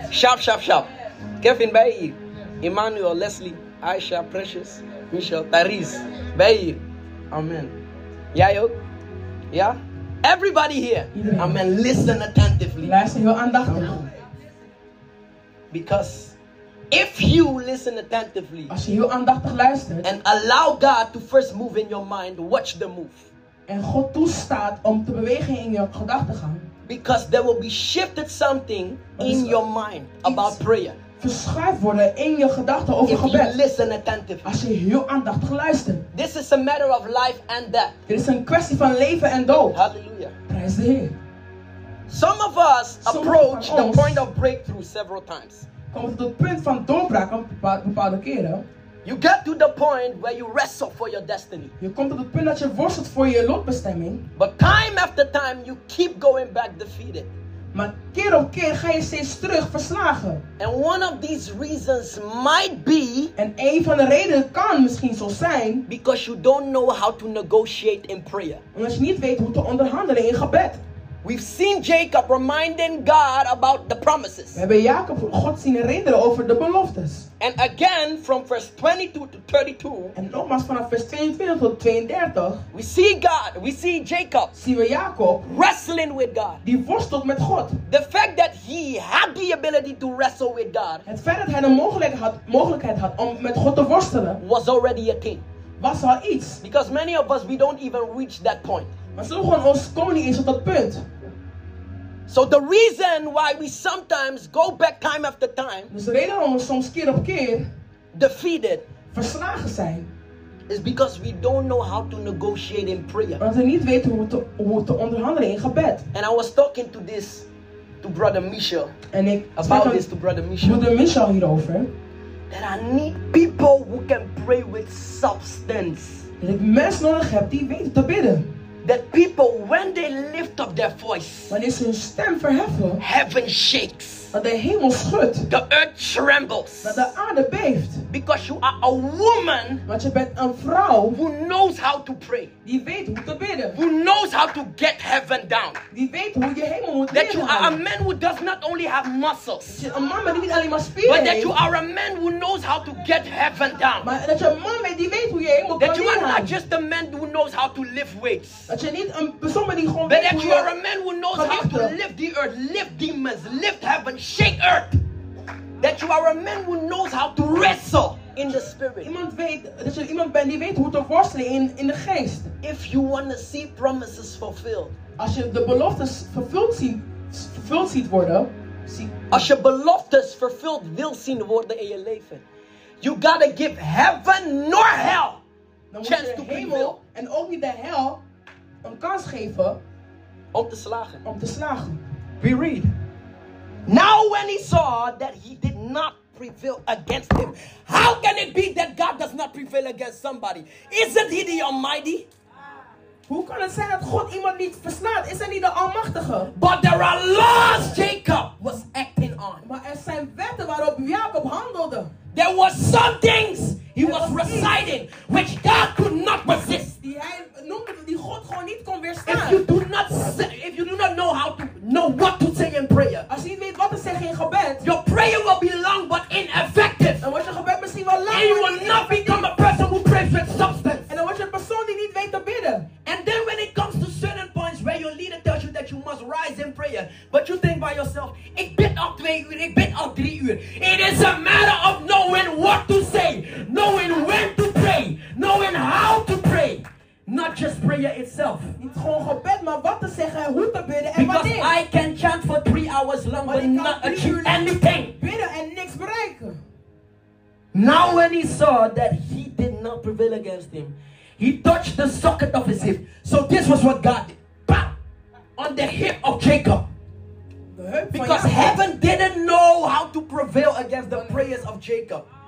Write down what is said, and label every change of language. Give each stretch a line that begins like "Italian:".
English: sharp, sharp, sharp.
Dutch: Kevin, bij hier. Emmanuel, Leslie, Aisha, Precious, Michel, Therese, bij hier. Amen. Jij ook? Ja?
English: Everybody here.
Dutch: Amen.
English: Listen attentively.
Dutch: Luister heel aandachtig.
English: Because if you listen attentively.
Dutch: Als je heel aandachtig luistert.
English: And allow God to first move in your mind, watch the move.
Dutch: En God toestaat om te bewegen in je gedachtegang.
English: Because there will be shifted something in your mind about prayer.
Dutch: Verschuift worden in je gedachten over gebed.
English: Listen attentively.
Dutch: Als je heel aandachtig luistert.
English: This is a matter of life and death.
Dutch: Dit is een kwestie van leven en dood. Halleluja. Prijs de Heer.
English: Some of us approach the point of breakthrough several times.
Dutch: Komt tot het punt van doorbraak bepaalde keren.
English: You get to the point where you wrestle for your destiny.
Dutch: Je komt tot het punt dat je worstelt voor je lotbestemming.
English: But time after time you keep going back defeated.
Dutch: Maar keer op keer ga je steeds terug verslagen.
English: And one of these reasons might be.
Dutch: En een van de redenen kan misschien zo zijn.
English: Because you don't know how to negotiate in prayer.
Dutch: Omdat je niet weet hoe te onderhandelen in gebed.
English: We've seen Jacob reminding God about the promises.
Dutch: We hebben Jacob God zien herinneren over de beloftes.
English: And again from verse 22 to 32.
Dutch: En nogmaals vanaf vers 22 tot 32.
English: We see God, we see Jacob.
Dutch: Zien we Jacob
English: wrestling with God.
Dutch: Die worstelt met God.
English: The fact that he had the ability to wrestle with God.
Dutch: Het feit dat hij de mogelijkheid had om met God te worstelen.
English: Was already a king.
Dutch: Was al iets.
English: Because many of us we don't even reach that point.
Dutch: Maar zo gewoon ons komen niet eens op dat punt.
English: So the reason why we sometimes go back time after time.
Dutch: Dus de reden waarom we soms keer op keer
English: defeated,
Dutch: verslagen zijn,
English: is because we don't know how to negotiate in prayer.
Dutch: Omdat we niet weten hoe te onderhandelen in gebed.
English: And I was talking to this to brother Michel.
Dutch: En ik
English: about this to brother Michel.
Dutch: Brother Michel hierover.
English: That I need people who can pray with substance.
Dutch: Dat ik mensen nodig heb die weten te bidden.
English: That people, when they lift up their voice,
Dutch: wanneer ze hun stem verheffen,
English: heaven shakes.
Dutch: Dat de hemel schudt.
English: The earth trembles.
Dutch: Dat de aarde beeft.
English: Because you are a woman.
Dutch: Want je bent een vrouw.
English: Who knows how to pray.
Dutch: Die weet hoe te bidden.
English: Who knows how to get heaven down.
Dutch: Die weet hoe je hemel moet bidden.
English: That you are a man who does not only have muscles.
Dutch: Dat je een man bent die niet alleen maar spieren heeft.
English: But that you are a man who knows how to get heaven down.
Dutch: Maar dat je een man bent die weet hoe je hemel kan.
English: That you are not just a man who knows how to lift weights.
Dutch: Dat je niet een persoon bent die gewoon weet.
English: But that you are a man who knows how to lift the earth, lift demons, lift heaven. Shake earth. That you are a man who knows how to wrestle in the spirit.
Dutch: Iemand weet dat je iemand bent die weet hoe te worstelen in de geest.
English: If you want to see promises fulfilled.
Dutch: Als je de beloftes vervuld ziet worden. Als je beloftes vervuld wil zien worden in je leven.
English: You gotta give heaven nor hell.
Dutch: Dan moet je de hemel en ook niet de hel een kans geven. Om te slagen.
English: We read. Now when he saw that he did not prevail against him. How can it be that God does not prevail against somebody? Isn't he the almighty?
Dutch: Hoe kan het zijn dat God iemand niet verslaat? Is hij niet de almachtige?
English: But there are laws Jacob was acting on.
Dutch: Maar er zijn wetten waarop Jacob handelde.
English: There were some things he was reciting which God could not resist.
Dutch: Die hij noemde die God gewoon niet kon weerstaan.
English: If you do not know how to know what to say in prayer.
Dutch: Als je niet weet wat te zeggen in gebed.
English: Your prayer will be long but ineffective.
Dutch: Dan wordt je gebed misschien wel lang.
English: And you will not become a person who prays with substance.
Dutch: En dan wordt je een persoon die niet weet te bidden.
English: And then when it comes to certain points where your leader tells you that you must rise in prayer. But you think by yourself,
Dutch: ik bid al 2 uur, ik bid al 3 uur.
English: It is a matter of knowing what to say. Knowing when to pray. Knowing how to pray. Not just prayer itself.
Dutch: Niet gewoon gebed, maar wat te zeggen, hoe te bidden en wanneer.
English: Because I can chant for 3 hours long but not achieve anything.
Dutch: Bidden en niks bereiken.
English: Now when he saw that he did not prevail against him. He touched the socket of his hip. So this was what God did. Bam! On the hip of Jacob. Because heaven didn't know how to prevail against the prayers of Jacob.